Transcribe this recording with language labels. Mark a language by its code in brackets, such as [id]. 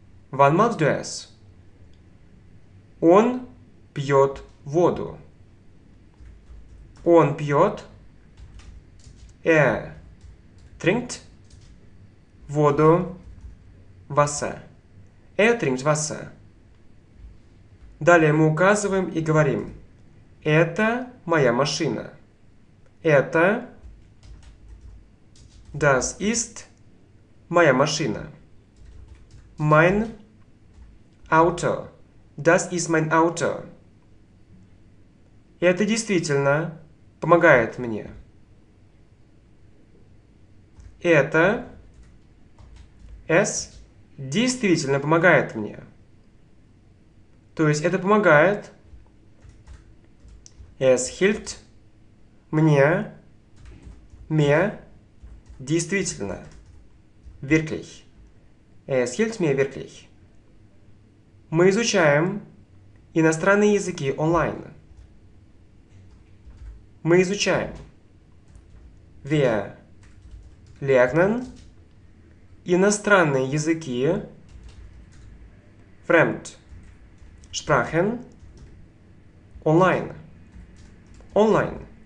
[ru] Ван must do S. Он пьет воду. Он пьет. [de] Er trinkt [ru] воду. [de] Wasser. Er trinkt Wasser. [ru] Далее мы указываем и говорим. Это моя машина. Это. [de] Das ist [ru] моя машина. [de] Mein Auto. Das ist mein Auto. [ru] И это действительно помогает мне. Это es действительно помогает мне. То есть это помогает. [de] Es hilft [ru] мне, [de] mir [ru] действительно. [de] Wirklich. Es hilft mir wirklich. [ru] Мы изучаем иностранные языки онлайн. Мы изучаем. [de] Wir lernen [ru] иностранные языки. [de] Fremdsprachen онлайн. [ru] Онлайн.